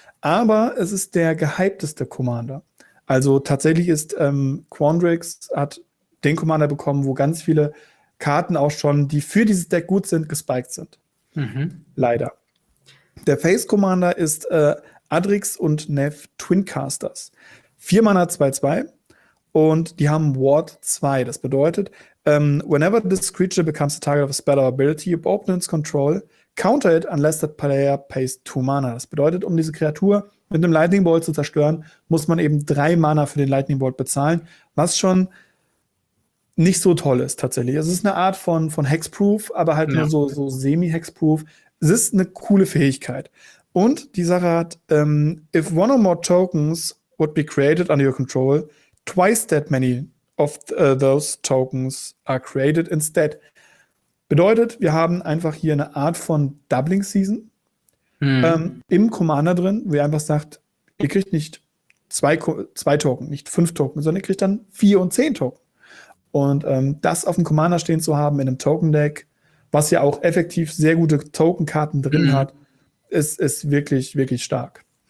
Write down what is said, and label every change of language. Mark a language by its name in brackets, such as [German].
[German] Aber es ist der gehypteste Commander. Also tatsächlich ist Quandrix hat den Commander bekommen, wo ganz viele Karten auch schon, die für dieses Deck gut sind, gespiked sind. Leider. Der Face Commander ist Adrix und Nev Twincasters. 4 Mana 2-2 und die haben Ward 2. Das bedeutet, [English] whenever this creature becomes a target of a spell or ability, your opponent's control, counter it unless that player pays 2 Mana. [German] Das bedeutet, um diese Kreatur mit einem Lightning Bolt zu zerstören, muss man eben 3 Mana für den Lightning Bolt bezahlen, was schon nicht so toll ist tatsächlich. Es ist eine Art von Hexproof, aber halt nur so semi-Hexproof. Es ist eine coole Fähigkeit. Und die Sache hat, [English] if one or more tokens would be created under your control, twice that many of those tokens are created instead. [German] Bedeutet, wir haben einfach hier eine Art von Doubling Season im Commander drin, wo ihr einfach sagt, ihr kriegt nicht zwei Token, nicht 5 Token, sondern ihr kriegt dann 4 und 10 Token. Und das auf dem Commander stehen zu haben in einem Token-Deck, was ja auch effektiv sehr gute Token-Karten drin hat, ist wirklich, wirklich stark.